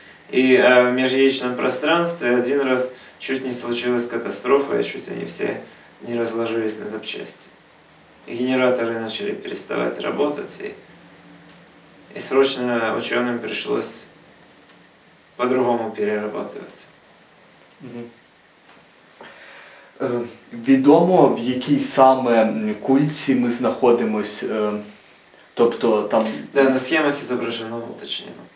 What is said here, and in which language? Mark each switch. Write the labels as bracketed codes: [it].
[ru] И в межяичном пространстве один раз чуть не случилась катастрофа, и чуть они все не разложились на запчасти. И генераторы начали переставать работать, и срочно ученым пришлось по-другому перерабатывать. [uk] Відомо, в якій саме культі ми знаходимось, тобто там... [ru] Да, [uk] на схемах зображено, уточнено.